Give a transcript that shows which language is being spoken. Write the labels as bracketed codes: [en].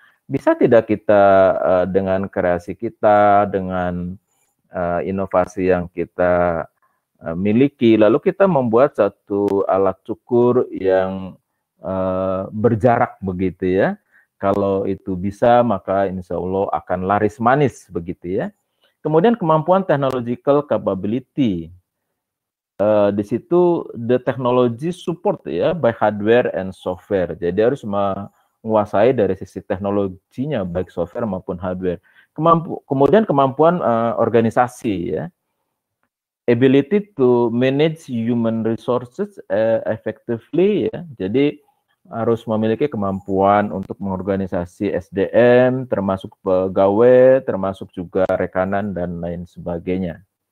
[id] Bisa tidak kita dengan kreasi kita, dengan inovasi yang kita miliki, lalu kita membuat satu alat cukur yang berjarak begitu ya. Kalau itu bisa, maka insya Allah akan laris manis begitu ya. Kemudian kemampuan [en] technological capability. [id] Di situ [en] the technology support ya, by hardware and software. [id] Jadi harus menguasai dari sisi teknologinya, baik software maupun hardware. Kemudian kemampuan organisasi ya. [en] Ability to manage human resources effectively ya. [id] Jadi harus memiliki kemampuan untuk mengorganisasi SDM, termasuk pegawai, termasuk juga rekanan dan lain sebagainya.